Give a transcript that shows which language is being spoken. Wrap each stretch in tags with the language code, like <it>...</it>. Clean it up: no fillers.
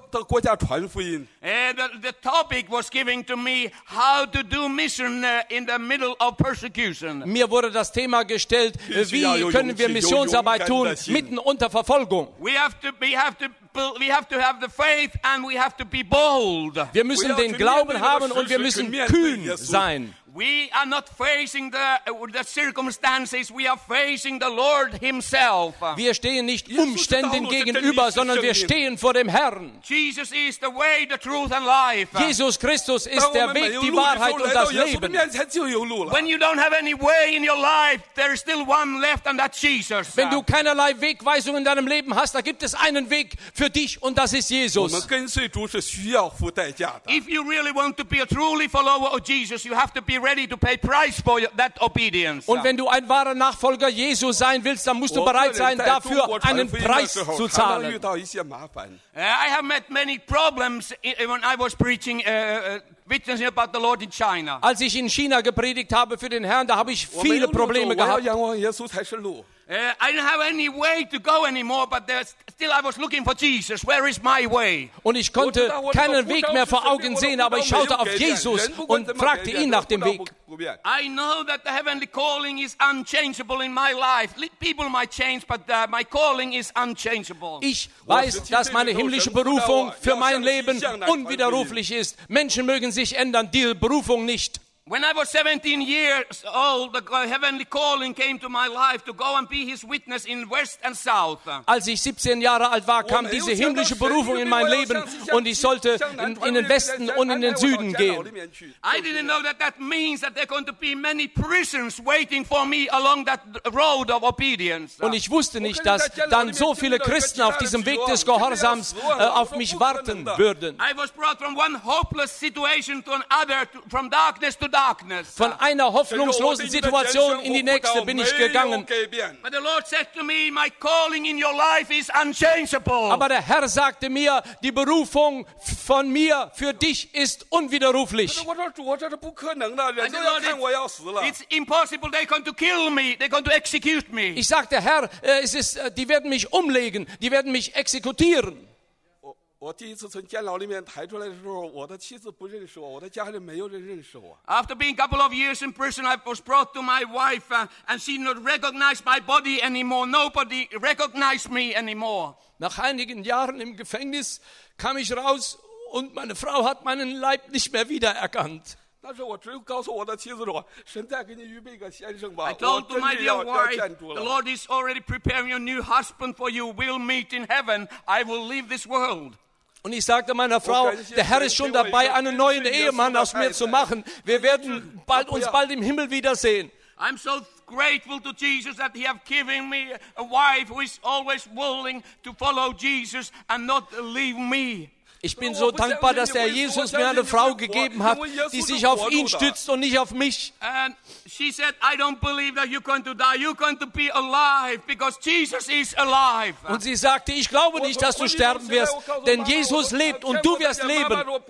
<en>The topic was given to me how to do mission in the middle of persecution.</en> <de>Mir wurde das Thema gestellt, wie können wir Missionsarbeit tun mitten unter Verfolgung?</de> <en>We have to have the faith and we have to be bold.</en> <de>Wir müssen den Glauben haben und wir müssen kühn sein.</de> <en>We are not facing the circumstances, we are facing the Lord himself.</en> <de>Wir stehen nicht Umständen gegenüber, sondern wir stehen vor dem Herrn.</de> <en>Jesus is the way, the truth and life.</en> <de>Jesus Christus ist der Weg, die Wahrheit und das Leben.</de> <en>When you don't have any way in your life, there is still one left and that's Jesus.</en> <de>Wenn du keinerlei Wegweisung in deinem Leben hast, da gibt es einen Weg für dich und das ist Jesus.</de> <en>If you really want to be a truly follower of Jesus, you have to be ready to pay price for that obedience.</en> <de>Und wenn du ein wahrer Nachfolger Jesu sein willst, dann musst du bereit sein, dafür einen Preis zu zahlen.</de> <en>I have met many problems when I was preaching witnessing about the Lord in China.</en> <de>Als ich in China gepredigt habe für den Herrn, da habe ich viele Probleme gehabt.</de> <en>I didn't have any way to go anymore, but still I was looking for Jesus. Where is my way?</en> <de>Und ich konnte keinen Weg mehr vor Augen sehen, aber ich schaute auf Jesus und fragte ihn nach dem Weg.</de> <en>I know that the heavenly calling is unchangeable in my life. People might change, but my calling is unchangeable.</en> <de>Ich weiß, dass meine himmlische Berufung für mein Leben unwiderruflich ist. Menschen mögen sich ändern, die Berufung nicht.</de> <en>When I was 17 years old, the heavenly calling came to my life to go and be his witness in West and South.</en> <de>Als ich 17 Jahre alt war, kam diese himmlische Berufung in mein Leben und ich sollte in den Westen und in den Süden gehen.</de> <en>I didn't know that means that there are going to be many prisons waiting for me along that road of obedience.</en> <de>Und ich wusste nicht, dass dann so viele Christen auf diesem Weg des Gehorsams auf mich warten würden.</de> <en>I was brought from one hopeless situation to another, from darkness to darkness.</en> <de>Von einer hoffnungslosen Situation in die nächste bin ich gegangen.</de> <en>But the Lord said to me, my calling in your life is unchangeable.</en> <de>Aber der Herr sagte mir, die Berufung von mir für dich ist unwiderruflich.</de> <en>It's impossible. They're going to kill me. They're going to execute me.</en> <de>Ich sagte, Herr, es ist, die werden mich umlegen. Die werden mich exekutieren.</de> <en>After being a couple of years in prison, I was brought to my wife, and she did not recognize my body anymore. Nobody recognized me anymore.</en> <de>Nach einigen Jahren im Gefängnis kam ich raus, und meine Frau hat meinen Leib nicht mehr wiedererkannt.</de> <en>I told to my dear wife, the Lord is already preparing a new husband for you. We'll meet in heaven. I will leave this world.</en> <de>Und ich sagte meiner Frau, der Herr ist schon dabei, einen neuen Ehemann aus mir zu machen. Wir werden uns bald im Himmel wiedersehen.</de> <en>I'm so grateful to Jesus that he have given me a wife who is always willing to follow Jesus and not leave me.</en> <de>Ich bin so dankbar, dass der Jesus mir eine Frau gegeben hat, die sich auf ihn stützt und nicht auf mich.</de> <en>And she said, I don't believe that you're going to die. You're going to be alive because Jesus is alive.</en> <de>Und sie sagte, ich glaube nicht, dass du sterben wirst, denn Jesus lebt und du wirst leben.</de>